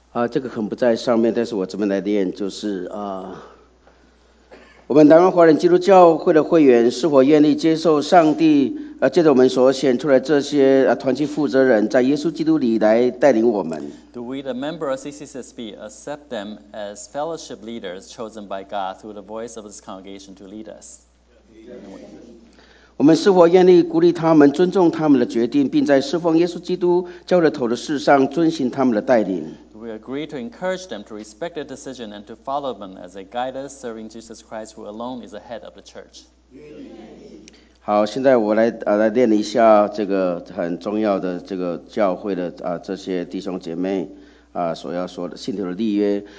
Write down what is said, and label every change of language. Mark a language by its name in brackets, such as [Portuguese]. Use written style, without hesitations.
[Chinese] 这个可能不在上面，但是我这边来念，就是我们南方华人基督教会的会员是否愿意接受上帝借着我们所选出来这些团契负责人，在耶稣基督里来带领我们 [English] ？Do we, the member of CCSB, accept them as fellowship leaders chosen by God through the voice of this congregation to lead us？ [Chinese] 我们是否愿意鼓励他们、尊重他们的决定，并在侍奉耶稣基督教的头的事上遵循他们的带领 [English] ？Do we agree to encourage them to respect their decision and to follow them as they guide us, serving Jesus Christ, who alone is the head of the church？ [Chinese] 好，现在我来来念一下这个很重要的这个教会的这些弟兄姐妹所要说的信徒的立约。